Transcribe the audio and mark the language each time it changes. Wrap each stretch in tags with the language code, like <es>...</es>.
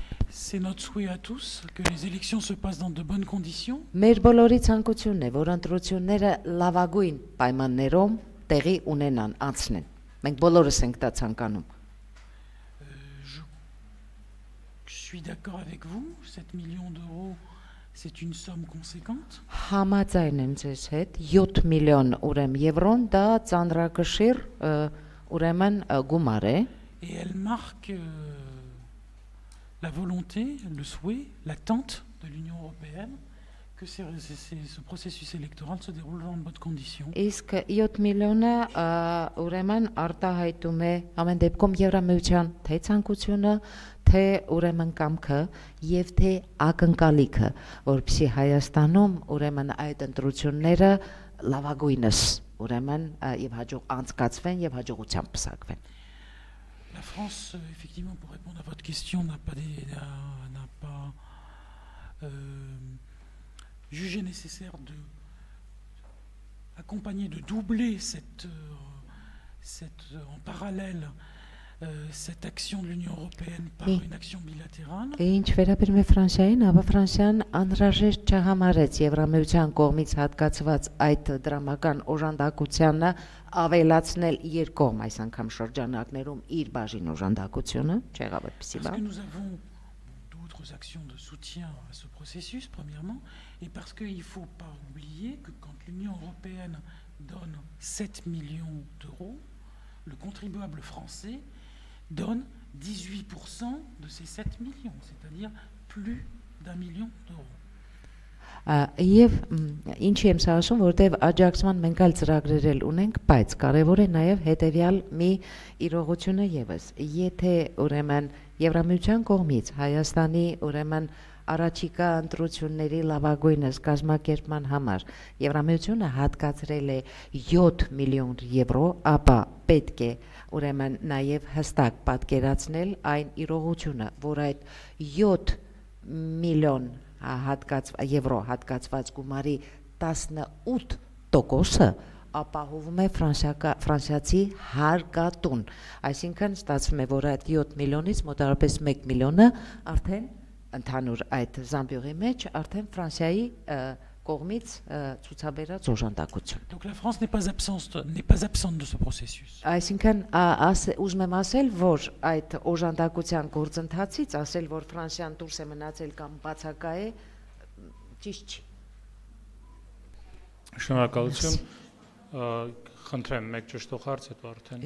<fr>C'est notre souhait à tous que les élections se passent dans de bonnes conditions.</fr> <hy>Մեր բոլորի ցանկությունն է, որ ընտրությունները լավագույն պայմաններում տեղի ունենան, անցնեն։ Մենք բոլորս ենք դա ցանկանում։</hy> <fr>Je suis d'accord avec vous, 7 millions d'euros, c'est une somme conséquente.</fr> <hy>Համաձայն եմ ձեզ հետ, 7 միլիոն ուրեմն եվրոն դա ծանրակշիռ ուրեմն գումար է։</hy> <fr>Et elle marque la volonté, le souhait, l'attente de l'Union européenne que ce processus électoral se déroule dans de bonnes conditions.</fr> <hy>Իսկ 7 միլիոնը ուրեմն արտահայտում է ամեն դեպքում Եվրամիության թե ցանկությունը, թե ուրեմն կամքը եւ թե ակնկալիքը, որպեսզի Հայաստանում ուրեմն այդ ընտրությունները լավագույնս ուրեմն եւ հաջող անցկացվեն եւ հաջողությամբ պսակվեն։</hy> <fr>La France, effectivement, pour répondre à votre question, n'a pas jugé nécessaire de accompagner, de doubler cette action de l'Union européenne par une action bilatérale.</fr> <hy>Et ինչ վերաբերում է Ֆրանսիային, ապա Ֆրանսիան անհրաժեշտ չհամարեց Եվրամիության կողմից հատկացված այդ դրամական օժանդակությանը ավելացնել իր կողմ այս անգամ շրջանակներում իր բաժին օժանդակությունը, չեղավ այդպեսի բան։</hy> <fr>Parce que nous avons d'autres d'autres actions de soutien à ce processus, premièrement, et parce qu'il ne faut pas oublier que quand l'Union européenne donne 7 millions d'euros, le contribuable français donne 18% de ces 7 millions, c'est-à-dire plus d'un million d'euros.</fr> <hy>Եվ ինչի եմ ասում, որտեվ աջակցման մենք այլ ծրագրեր էլ ունենք, բայց կարևոր է նաև հետևյալ մի իրողությունը եւս. Եթե ուրեմն Եվրամիության կողմից Հայաստանի ուրեմն առաջիկա ընտրությունների լավագույնը կազմակերպման համար Եվրամիությունը հատկացրել է 7 միլիոն եվրո, ապա պետք է ուրեմն նաև հստակ պատկերացնել այն իրողությունը, որ այդ 7 միլիոն հատկաց եվրո հատկացված գումարի 18% ապահովում է ֆրանսիացի հարկատուն, այսինքն ստացվում է, որ այդ 7 միլիոնից մոտավորապես 1 միլիոնը արդեն ընդհանուր այդ զամբյուղի մեջ արդեն ֆրանսիայի կողմից ցուցաբերած օժանդակություն։</hy> <fr>Donc la France n'est pas absente de ce processus.</fr> <hy>Այսինքն ուզում եմ ասել, որ այդ օժանդակության գործընթացից ասել, որ Ֆրանսիան դուրս է մնացել կամ բացակա է, ճիշտ չի։ Շնորհակալություն։ Խնդրեմ, մեկ ճշտող հարց հետո արդեն։</hy>